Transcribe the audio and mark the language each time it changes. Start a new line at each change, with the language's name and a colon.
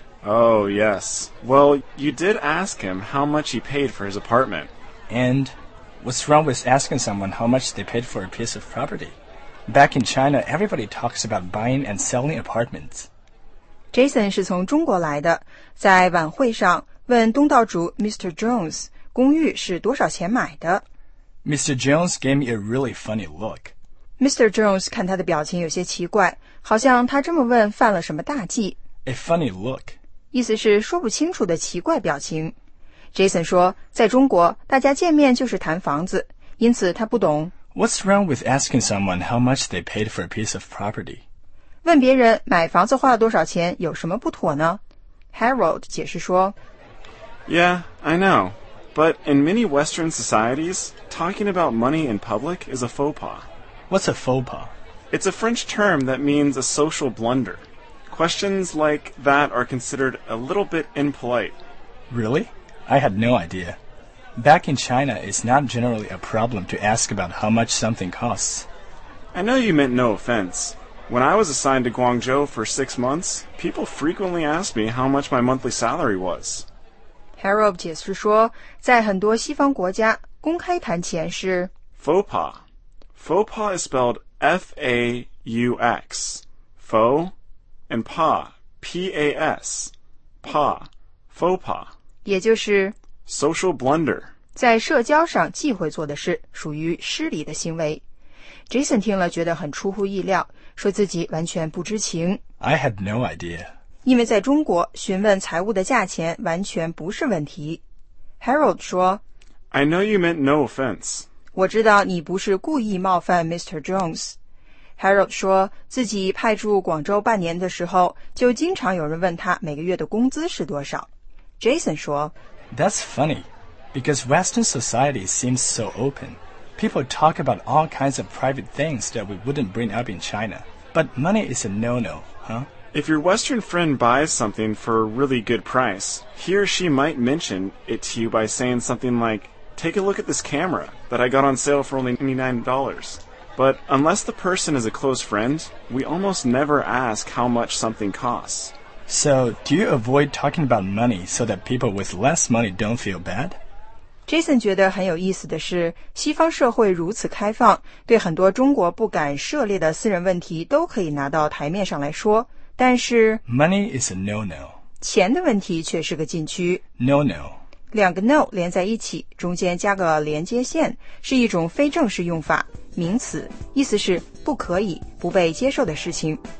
English: Oh, yes. Well, you did ask him how much he paid for his apartment. And what's wrong with asking someone how much they paid for a piece of property? Back in China, everybody talks about buying and selling apartments.
Chinese: Jason 是从中国来的，在晚会上问东道主 Mr. Jones 公寓是多少钱买的。
English: Mr. Jones gave me a really funny look. Mr.
Chinese: Jones 看他的表情有些奇怪，好像他这么问犯了什么大忌。
English: A funny look.
Chinese: 意思是说不清楚的奇怪表情。Jason 说，在中国，大家见面就是谈房子，因此他不懂。
English: What's wrong with asking someone how much they paid for a piece of property?
Chinese: 问别人买房子花了多少钱有什么不妥呢？ Harold 解释说
English: Yeah, I know. But in many Western societies, talking about money in public is a faux pas. What's a faux pas? It's a French term that means a social blunder. Questions like that are considered a little bit impolite. Really? I had no idea. Back in China, it's not generally a problem to ask about how much something costs. I know you meant no offense. When I was assigned to Guangzhou for 6 months, people frequently asked me how much my monthly salary was.
Chinese: Harold 解释说，在很多西方国家，公开谈钱是
English: faux pas. Faux pas is spelled F-A-U-X. Faux and pas. P-A-S. Pas. Faux pas.
Chinese: 也就是
English: social blunder，
Chinese: 在社交上忌讳做的事，属于失礼的行为。 Jason 听了觉得很出乎意料，说自己完全不知情。
English: I had no idea。
Chinese: 因为在中国，询问财物的价钱完全不是问题。 Harold 说
English: ，I know you meant no offense。
Chinese: 我知道你不是故意冒犯 Mr. Jones。 Harold 说自己派驻广州半年的时候，就经常有人问他每个月的工资是多少。 Jason 说
English: That's funny, because Western society seems so open. People talk about all kinds of private things that we wouldn't bring up in China. But money is a no-no, huh? If your Western friend buys something for a really good price, he or she might mention it to you by saying something like, Take a look at this camera that I got on sale for only $99. But unless the person is a close friend, we almost never ask how much something costs. So, do you avoid talking about money so that people with less money don't feel bad?
Chinese: Jason 觉得很有意思的是，西方社会如此开放，对很多中国不敢涉猎的私人问题都可以拿到台面上来说，但是
English: Money is a no-no.
Chinese: 钱的问题却是个禁区。
English: No-no.
Chinese: 两个 no 连在一起，中间加个连接线，是一种非正式用法，名词，意思是不可以，不被接受的事情。